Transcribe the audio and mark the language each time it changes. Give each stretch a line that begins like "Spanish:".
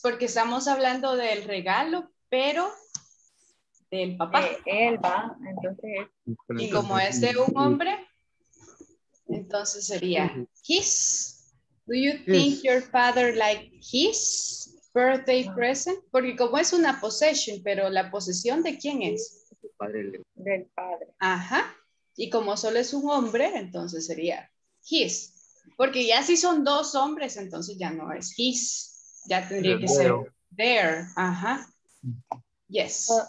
Spanish: Porque estamos hablando del regalo, pero del papá. Él va, entonces. Y como es de un hombre, entonces sería his.
English: Do you think your father likes his birthday present?
Spanish: Porque como es una possession, pero la posesión de quién es. Del padre. Ajá. Y como solo es un hombre, entonces sería his. Porque ya si son dos hombres, entonces ya no es his. Ya tendría que ser there. Ajá. Yes.